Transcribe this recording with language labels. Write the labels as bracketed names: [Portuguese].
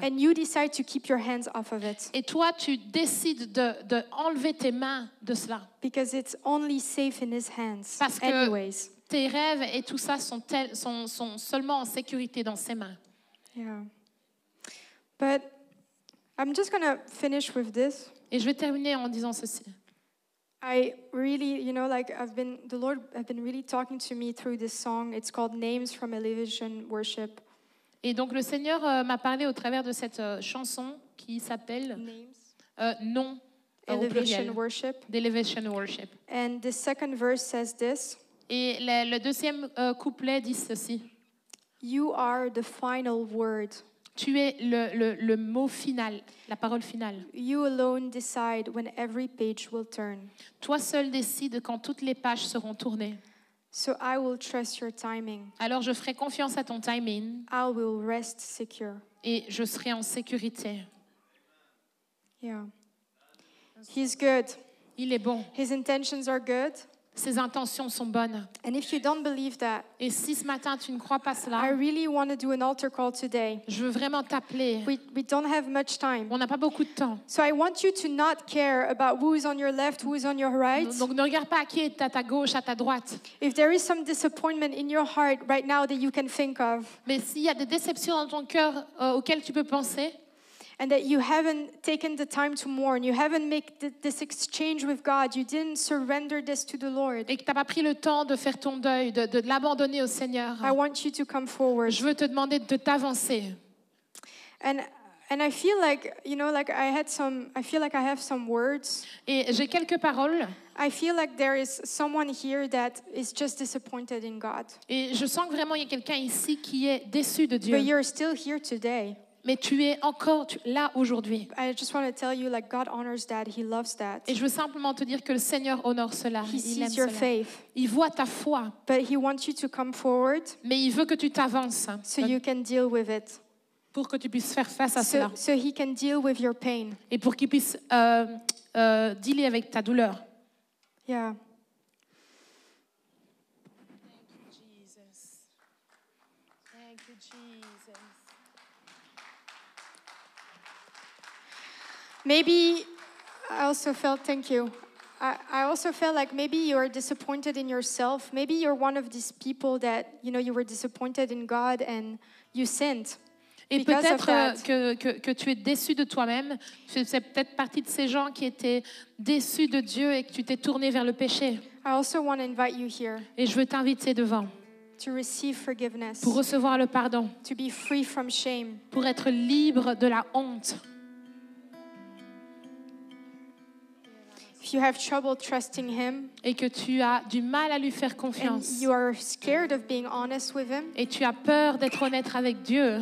[English] And you decide to keep your hands off of it. [French] Et toi, tu décides de enlever tes mains de cela. [English] Because it's only safe in his hands. [French] Parce que [English] anyways. [French] Tes rêves et tout ça sont seulement en sécurité dans ses mains. [English] Yeah. But I'm just gonna finish with this. [French] Et je vais terminer en disant ceci. [English] I really, you know, like I've been, the Lord has been really talking to me through this song. It's called Names from Elevation Worship. [French] Et donc le Seigneur m'a parlé au travers de cette chanson qui s'appelle [English] Names. [French] Non. [English] Elevation worship. Elevation worship. And the second verse says this. [French] Et le deuxième couplet dit ceci. [English] You are the final word. [French] Tu es le mot final, la parole finale. [English] You alone decide when every page will turn. [French] Toi seul décides quand toutes les pages seront tournées. [English] So I will trust your timing. [French] Alors je ferai confiance à ton timing. [English] I will rest secure. [French] Et je serai en sécurité. [English] Yeah. He's good. [French] Il est bon. [English] His intentions are good. [French] Ses intentions sont bonnes. [English] And if you don't believe that, [French] et si ce matin tu ne crois pas cela, [English] I really want to do an altar call today. [French] Je veux vraiment t'appeler. [English] We don't have much time. [French] On n'a pas beaucoup de temps. [English] So I want you to not care about who is on your left, who is on your right. [French] Donc ne regarde pas qui est à ta gauche, à ta droite. [English] If there is some disappointment in your heart right now that you can think of, [French] mais s'il y a des déceptions dans ton cœur auxquelles tu peux penser. [English] And that you haven't taken the time to mourn, you haven't made this exchange with God, you didn't surrender this to the Lord. [French] Et que t'as pas pris le temps de faire ton deuil, de l'abandonner au Seigneur. [English] I want you to come forward. [French] Je veux te demander de t'avancer. [English] And I feel like, you know, like I had some, I feel like I have some words. [French] Et j'ai quelques paroles. [English] I feel like there is someone here that is just disappointed in God. [French] Et je sens que vraiment il y a quelqu'un ici qui est déçu de Dieu. [English] But you're still here today. [French] Mais tu es encore là aujourd'hui. [English] I just want to tell you, like God honors that, He loves that. [French] Et je veux simplement te dire que le Seigneur honore cela. [English] He [French] il [English] sees [French] aime [English] your Faith. [French] Il voit ta foi. [English] But He wants you to come forward. [French] Mais il veut que tu t'avances. [English] So you can deal with it. [French] Pour que tu puisses faire face à [English] so, [French] cela. [English] So He can deal with your pain. [French] Et pour qu'il puisse dealer avec ta douleur. [English] Yeah. Maybe I also felt, thank you. I also felt like maybe you are disappointed in yourself. Maybe you're one of these people that, you know, you were disappointed in God and you sinned. [French] Et peut-être que tu es déçu de toi-même. Tu fais peut-être partie de ces gens qui étaient déçus de Dieu et que tu t'es tourné vers le péché. [English] I also want to invite you here. [French] Et je veux t'inviter devant. [English] To receive forgiveness. [French] Pour recevoir le pardon. [English] To be free from shame. [French] Pour être libre de la honte. [English] If you have trouble trusting him, [French] et que tu as du mal à lui faire confiance, [English] and you are scared of being honest with him, [French] et tu as peur d'être honnête avec Dieu,